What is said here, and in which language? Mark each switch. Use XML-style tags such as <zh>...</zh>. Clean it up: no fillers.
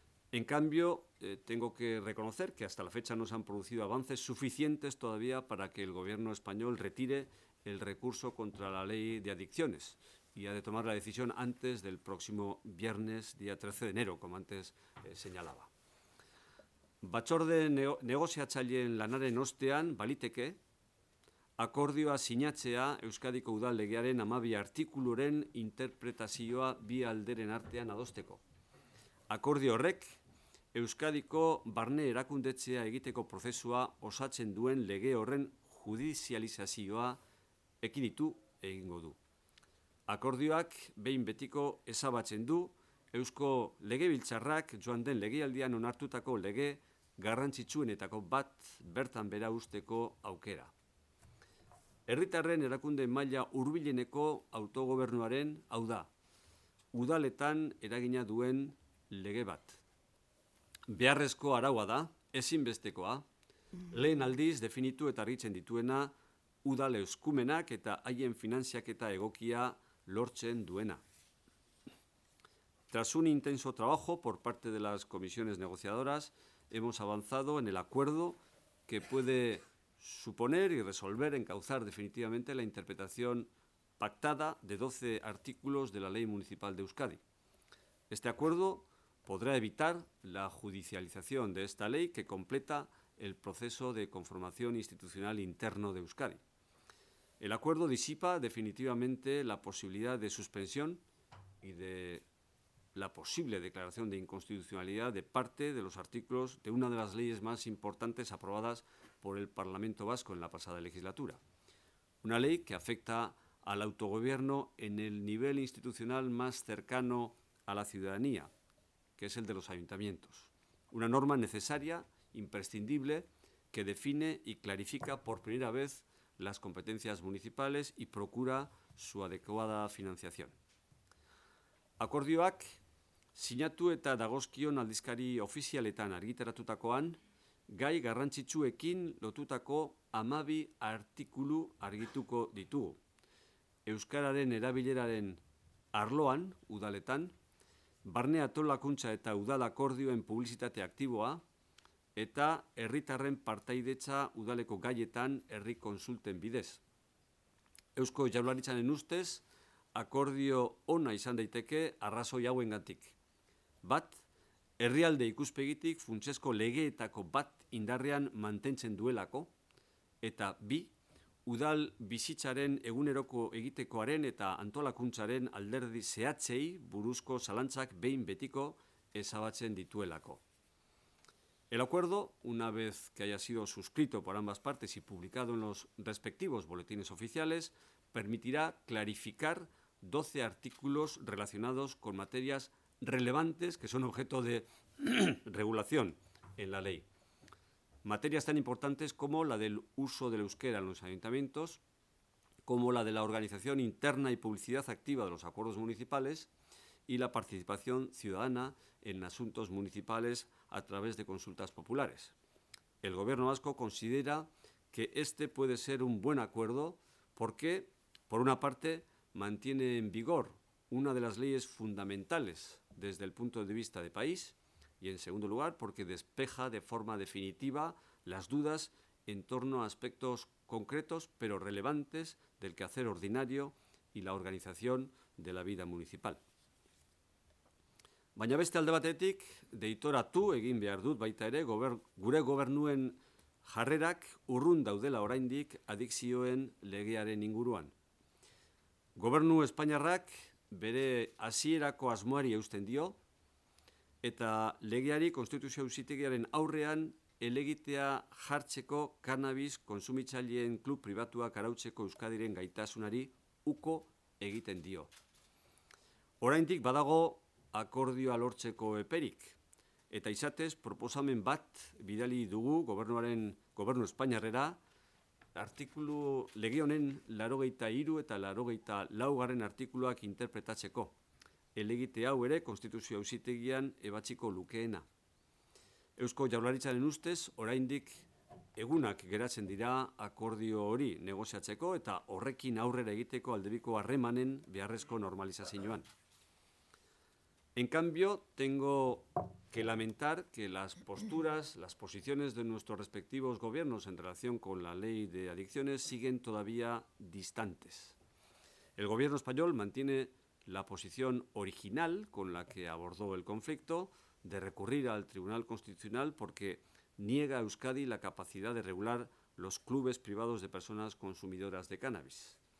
<es>En cambio, tengo que reconocer que hasta la fecha no se han producido avances suficientes todavía para que el Gobierno español retire el recurso contra la Ley de Adicciones y ha de tomar la decisión antes del próximo viernes, día 13 de enero, como antes señalaba.</es> <eu>Batzorde negoziatzaileen lanaren ostean, baliteke, akordioa sinatzea Euskadiko Udal Legearen 12 artikuluren interpretazioa bi alderen artean adosteko. Akordio horrek, Euskadiko barne erakundetzea egiteko prozesua osatzen duen lege horren judizializazioa ekiditu egingo du. Akordioak behin betiko ezabatzen du Eusko Legebiltzarrak joan den legealdian onartutako lege garrantzitsuenetako bat bertan bera usteko aukera. Herritarren erakunde maila hurbileneko autogobernuaren, hau da, udaletan eragina duen lege bat. Beharrezko araua da, ezinbestekoa, lehen aldiz definitu eta argitzen dituena udal eskumenak eta haien finantziaketa egokia lortzen duena.</eu> <es>Tras un intenso trabajo por parte de las comisiones negociadoras, hemos avanzado en el acuerdo que puede suponer y resolver encauzar definitivamente la interpretación pactada de 12 artículos de la Ley Municipal de Euskadi. Este acuerdo podrá evitar la judicialización de esta ley que completa el proceso de conformación institucional interno de Euskadi. El acuerdo disipa definitivamente la posibilidad de suspensión y de la posible declaración de inconstitucionalidad de parte de los artículos de una de las leyes más importantes aprobadas por el Parlamento Vasco en la pasada legislatura. Una ley que afecta al autogobierno en el nivel institucional más cercano a la ciudadanía, que es el de los ayuntamientos. Una norma necesaria, imprescindible, que define y clarifica por primera vez las competencias municipales y procura su adecuada financiación.</es> <eu>Akordioak, sinatu eta dagozkion aldizkari ofizialetan argitaratutakoan, gai garrantzitsuekin lotutako 12 artikulu argituko ditugu. Euskararen erabileraren arloan, udaletan, barne antolakuntza eta udal akordioen publizitate aktiboa, eta herritarren partaidetza udaleko gaietan herri kontsulten bidez. Eusko Jaurlaritzaren ustez, akordio ona izan daiteke arrazoi hauengatik. Bat, herrialde ikuspegitik funtsezko legeetako bat indarrean mantentzen duelako, eta bi, udal bizitzaren eguneroko egitekoaren eta antolakuntzaren alderdi zehatzei buruzko zalantzak behin betiko ezabatzen dituelako.</eu> <es>El acuerdo, una vez que haya sido suscrito por ambas partes y publicado en los respectivos boletines oficiales, permitirá clarificar 12 artículos relacionados con materias relevantes que son objeto de regulación en la ley. Materias tan importantes como la del uso del euskera en los ayuntamientos, como la de la organización interna y publicidad activa de los acuerdos municipales y la participación ciudadana en asuntos municipales a través de consultas populares. El Gobierno vasco considera que este puede ser un buen acuerdo porque, por una parte, mantiene en vigor una de las leyes fundamentales desde el punto de vista de país y, en segundo lugar, porque despeja de forma definitiva las dudas en torno a aspectos concretos pero relevantes del quehacer ordinario y la organización de la vida municipal.</es> <eu>Baina beste alde batetik, deitoratu egin behar dut baita ere gure gobernuen jarrerak urrun daudela oraindik adikzioen legearen inguruan. Gobernu espainiarrak bere hasierako asmoari eusten dio eta legeari konstituzio auzitegiaren aurrean elegitea jartzeko kanabis kontsumitzaileen klub pribatuak arautzeko Euskadiren gaitasunari uko egiten dio. Oraindik badago akordioa lortzeko eperik, eta izatez proposamen bat bidali dugu gobernu espainiarrera, artikulu lege honen 83 eta 84. Artikuluak interpretatzeko, elegite hau ere konstituzio auzitegian ebatziko lukeena. Eusko Jaurlaritzaren ustez, oraindik egunak geratzen dira akordio hori negoziatzeko eta horrekin aurrera egiteko aldebiko harremanen beharrezko normalizazioan.</eu> <es>En cambio, tengo que lamentar que las posturas, las posiciones de nuestros respectivos gobiernos en relación con la ley de adicciones siguen todavía distantes. El gobierno español mantiene la posición original con la que abordó el conflicto de recurrir al Tribunal Constitucional porque niega a Euskadi la capacidad de regular los clubes privados de personas consumidoras de cannabis.</es>